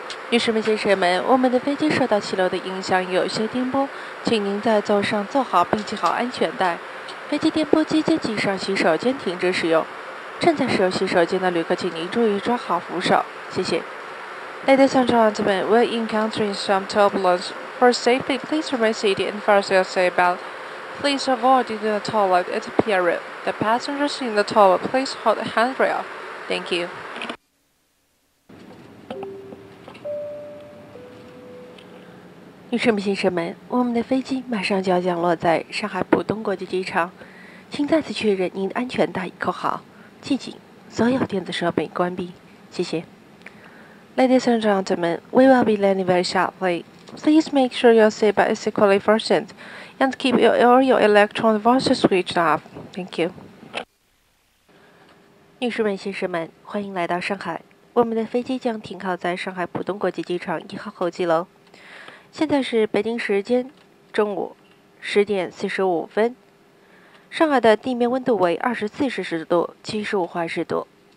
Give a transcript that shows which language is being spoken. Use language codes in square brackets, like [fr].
[zh] 女士们、先生们，我们的飞机受到气流的影响有些颠簸，请您在座上坐好并系好安全带。飞机颠簸期间，机上洗手间停止使用。正在使用洗手间的旅客，请您注意抓好扶手，谢谢。 [en] Ladies and gentlemen, we're encountering some turbulence. For safety, please remain seated and fasten your seatbelt. Please avoid using the toilet at the pier. The passengers in the toilet, please hold the handrail. Thank you. [zh] 女士们、先生们，我们的飞机马上就要降落在上海浦东国际机场，请再次确认您的安全带已扣好，记紧，所有电子设备关闭，谢谢。 [en] Ladies and gentlemen, we will be landing very shortly. Please make sure your seatbelt is securely fastened and keep all your electronic devices switched off. Thank you. [zh] 女士们、先生们，欢迎来到上海。我们的飞机将停靠在上海浦东国际机场1号候机楼。现在是北京时间中午10:45。上海的地面温度为24摄氏度，75华氏度。